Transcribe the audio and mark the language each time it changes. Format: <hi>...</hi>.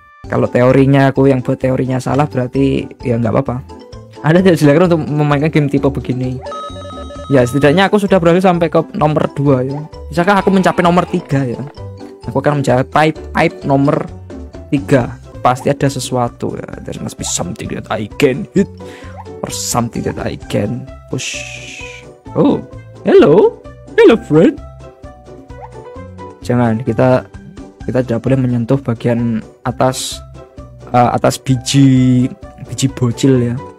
<id>Kalau teorinya aku yang buat teorinya salah, berarti ya nggak apa-apa. Anda tidak silakan untuk memainkan game tipe begini. Ya, setidaknya aku sudah berhasil sampai ke nomor 2 ya. Misalkan aku mencapai nomor 3 ya. Aku akan mencapai pipe nomor 3. Pasti ada sesuatu ya.</id> <en>There must be something that I can hit or something that I can push. Oh, hello friend.</en> <id>Jangan, kita tidak boleh menyentuh bagian atas atas biji bocil ya.</id>